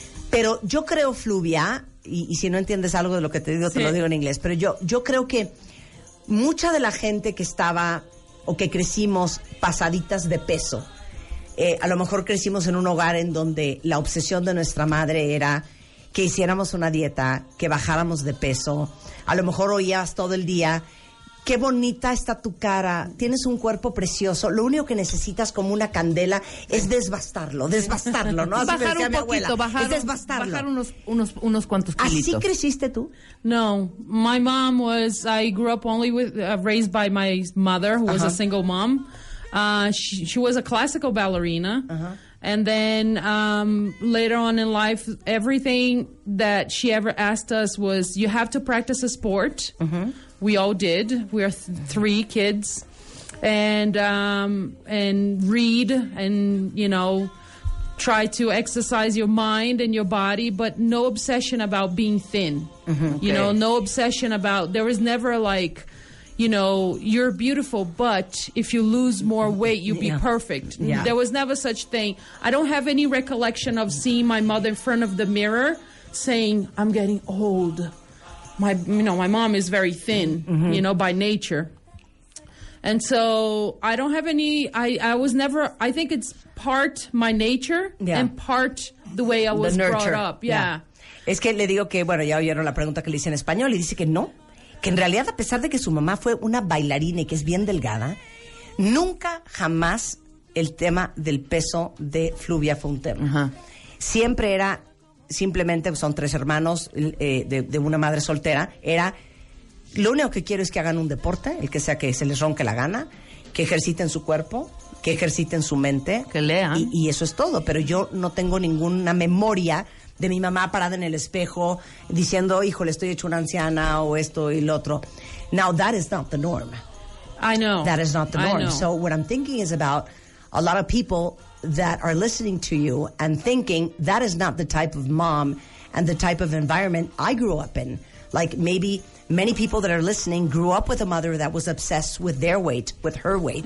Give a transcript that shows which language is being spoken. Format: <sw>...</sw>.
<es>Pero yo creo, Fluvia, y si no entiendes algo de lo que te digo, te lo digo en inglés, pero yo creo que mucha de la gente que estaba o que crecimos pasaditas de peso, a lo mejor crecimos en un hogar en donde la obsesión de nuestra madre era que hiciéramos una dieta, que bajáramos de peso. A lo mejor oías todo el día, qué bonita está tu cara, tienes un cuerpo precioso, lo único que necesitas como una candela es desbastarlo, ¿no? Así bajar un poquito, bajar, es desbastarlo. Bajar unos cuantos kilitos. ¿Así creciste tú?</es> <en>No, my mom was, I grew up only with, raised by my mother, who was a single mom. She was a classical ballerina. And then later on in life, everything that she ever asked us was, you have to practice a sport. We all did. We are three kids. And read and, you know, try to exercise your mind and your body, but no obsession about being thin. You know, no obsession about, there was never like, you know, you're beautiful, but if you lose more weight, you'll be perfect. There was never such thing. I don't have any recollection of seeing my mother in front of the mirror saying, I'm getting old. My, you know, my mom is very thin, you know, by nature. And so I don't have any, I was never, I think it's part my nature and part the way I was brought up.</en> <es>Es que le digo que, bueno, ya oyeron la pregunta que le hice en español y dice que no. Que en realidad, a pesar de que su mamá fue una bailarina y que es bien delgada, nunca jamás el tema del peso de Fluvia fue un tema. Siempre era, simplemente son tres hermanos de una madre soltera, era, lo único que quiero es que hagan un deporte, el que sea que se les ronque la gana, que ejerciten su cuerpo, que ejerciten su mente. Que lean. Y eso es todo, pero yo no tengo ninguna memoria de mi mamá parada en el espejo diciendo, híjole, estoy hecho una anciana o esto y lo otro.</es> <en>Now, that is not the norm. I know. That is not the norm. So what I'm thinking is about a lot of people that are listening to you and thinking that is not the type of mom and the type of environment I grew up in. Like maybe many people that are listening grew up with a mother that was obsessed with their weight, with her weight.</en>